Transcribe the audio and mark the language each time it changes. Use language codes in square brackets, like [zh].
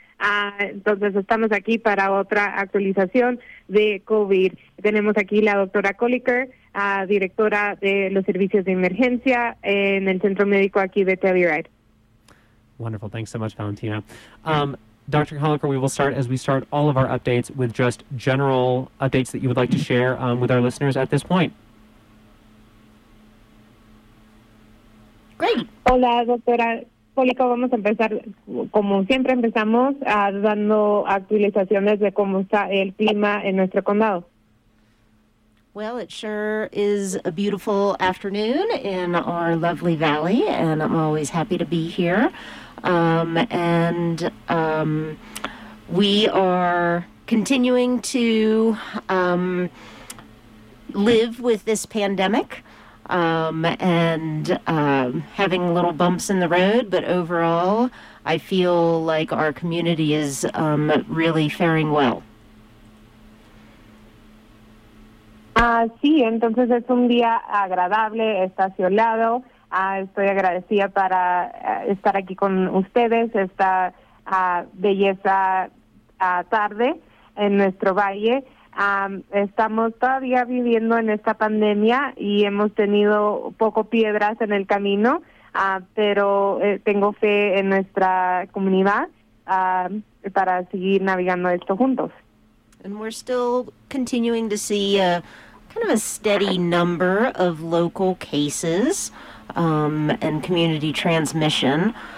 [es] Entonces estamos aquí para otra actualización de COVID. Tenemos aquí la doctora Colliker, directora de los servicios de emergencia en el centro médico aquí de Telluride. [en] Wonderful. Thanks so much, Valentina. Dr. Colliker, we will start, as we start all of our updates, with just general updates that you would like to share with our listeners at this point. Great. [es] Hola, doctora Colliker. Vamos a empezar, como siempre empezamos, dando actualizaciones de cómo está el clima en nuestro condado. [en] Well, it sure is a beautiful afternoon in our lovely valley, and I'm always happy to be here. We are continuing to live with this pandemic having little bumps in the road, but overall I feel like our community is really faring well. [es] Sí, entonces es un día agradable, está soleado. Estoy agradecida para estar aquí con ustedes esta belleza tarde en nuestro valle. Estamos todavía viviendo en esta pandemia y hemos tenido poco piedras en el camino, pero tengo fe en nuestra comunidad para seguir navegando esto juntos. [en] And we're still continuing to see kind of a steady number of local cases and community transmission.